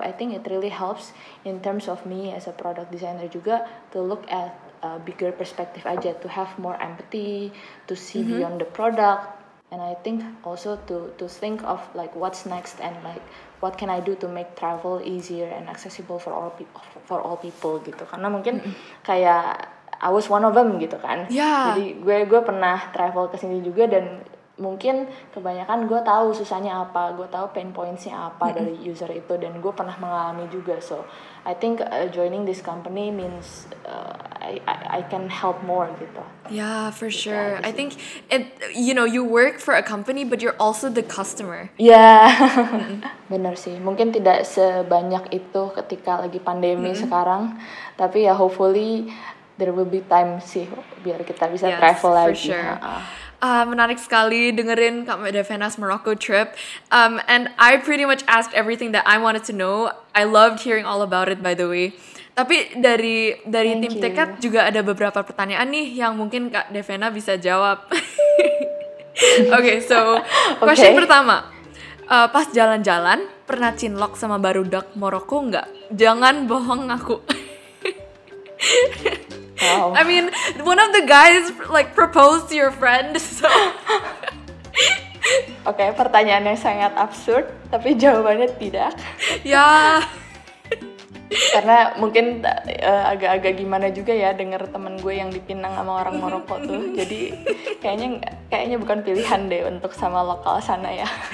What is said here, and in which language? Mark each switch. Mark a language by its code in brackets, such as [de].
[en] I think it really helps in terms of me as a product designer [id] juga [en] to look at a bigger perspective [id] aja, [en] to have more empathy, to see beyond the product, and I think also to think of like what's next and like what can I do to make travel easier and accessible for all people [id] gitu. Karena mungkin kayak [en] I was one of them [id] gitu kan. [en] Yeah. [id] Jadi gue pernah travel ke sini juga dan mungkin kebanyakan gue tahu susahnya apa, gue tahu pain pointsnya apa dari user itu dan gue pernah mengalami juga. [en] So I think joining this company means I can help more [id] gitu. [en] Yeah, for sure. I think it, you know, you work for a company but you're also the customer. [id] Yeah. Benar sih. Mungkin tidak sebanyak itu ketika lagi pandemi sekarang, tapi ya [en] hopefully there will be time [id] sih biar kita bisa travel lagi. [en] Yes, for sure. [id] Menarik sekali dengerin Kak Devena's Morocco trip. [en] And I pretty much asked everything that I wanted to know. I loved hearing all about it, by the way. [id] Tapi dari tim Tiket juga ada beberapa pertanyaan nih yang mungkin Kak Devena bisa jawab. [en] Okay, so question [id] pertama. Pas jalan-jalan, pernah cinlok sama barudak Morocco nggak? Jangan bohong aku. [en] Wow. I mean, one of the guys like proposed to your friend, so. [id] Okay, pertanyaannya sangat absurd, tapi jawabannya tidak. [en] Yeah. [id] Karena mungkin agak-agak gimana juga ya dengar teman gue yang dipinang sama orang Morocco tuh. Jadi kayaknya bukan pilihan deh untuk sama lokal sana ya.